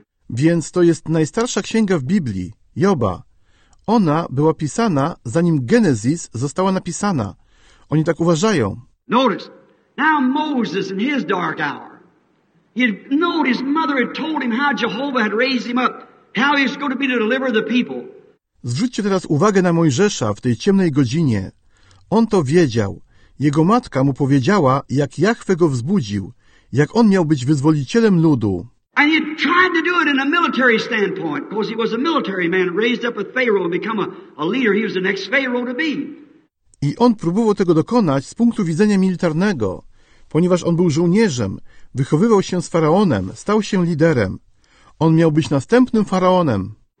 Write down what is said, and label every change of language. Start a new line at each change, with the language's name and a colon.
Polish: Więc to jest najstarsza księga w Biblii, Joba. Ona była pisana, zanim Genesis została napisana. Oni tak uważają.
English: Notice, now Moses in his dark hour. He'd known his mother had told him how Jehovah had raised him up, how he was going to be to deliver the people.
Polish: Zwróćcie teraz uwagę na Mojżesza w tej ciemnej godzinie. On to wiedział. Jego matka mu powiedziała, jak Jahwe go wzbudził, jak on miał być wyzwolicielem ludu.
English: And he tried to do it in a military standpoint, because he was a military man raised up with Pharaoh and become a leader. He was the next Pharaoh to be.
Polish: I on próbował tego dokonać z punktu widzenia militarnego. Ponieważ on był żołnierzem, wychowywał się z Faraonem, stał się liderem. On miał być następnym Faraonem.